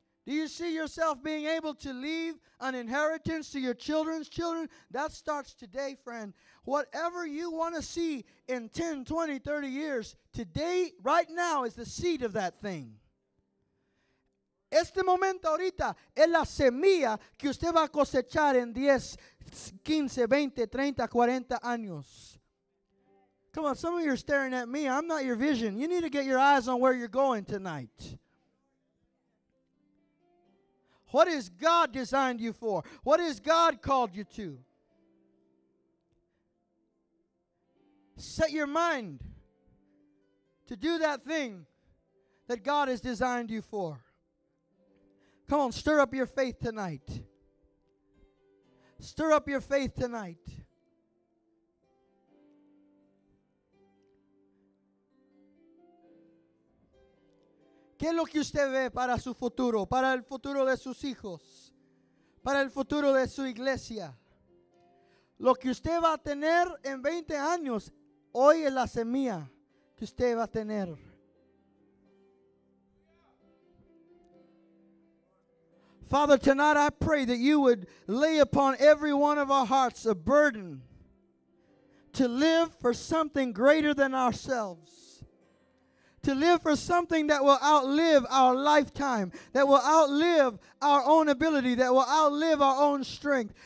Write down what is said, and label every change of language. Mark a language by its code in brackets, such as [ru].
[en] Do you see yourself being able to leave an inheritance to your children's children? That starts today, friend. Whatever you want to see in 10, 20, 30 years, today, right now, is the seed of that thing. [es] Este momento ahorita es la semilla que usted va a cosechar en 10, 15, 20, 30, 40 años. [en] Come on, some of you are staring at me. I'm not your vision. You need to get your eyes on where you're going tonight. What has God designed you for? What has God called you to? Set your mind to do that thing that God has designed you for. Come on, stir up your faith tonight. Stir up your faith tonight. [es] ¿Qué es lo que usted ve para su futuro? Para el futuro de sus hijos. Para el futuro de su iglesia. Lo que usted va a tener en 20 años, hoy es la semilla que usted va a tener. [en] Father, tonight I pray that you would lay upon every one of our hearts a burden to live for something greater than ourselves. To live for something that will outlive our lifetime, that will outlive our own ability, that will outlive our own strength.